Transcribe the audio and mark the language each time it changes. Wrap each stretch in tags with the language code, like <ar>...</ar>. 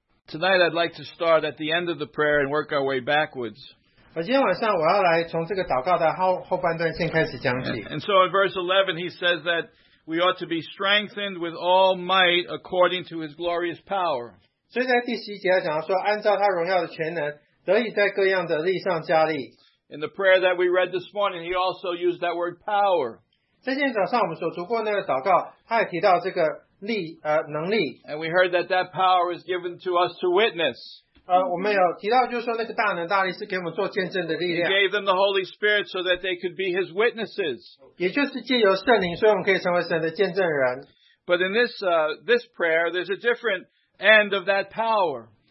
<en>Tonight I'd like to start at the end of the prayer and work our way backwards.</en> <zh>今天晚上我要来从这个祷告的后半段先开始讲起。</zh> <en>And so in verse 11 he says that we ought to be strengthened with all might according to his glorious power.</en> <zh>所以在第十一节他讲到说按照他荣耀的全能得以在各样的力上加力。</zh> <en>In the prayer that we read this morning he also used that word power.</en> <zh>在今天早上我们所读过那个祷告，他也提到这个力，能力。</zh> <en>And we heard that that power is given to us to witness.</en> <zh>我们有提到就是说那个大能大力是给我们做见证的力量。</zh> <en>He gave them the Holy Spirit so that they could be his witnesses.</en> <zh>也就是借由圣灵，所以我们可以成为神的见证人。</zh> <en>But in this prayer, there's a different end of that power.</en>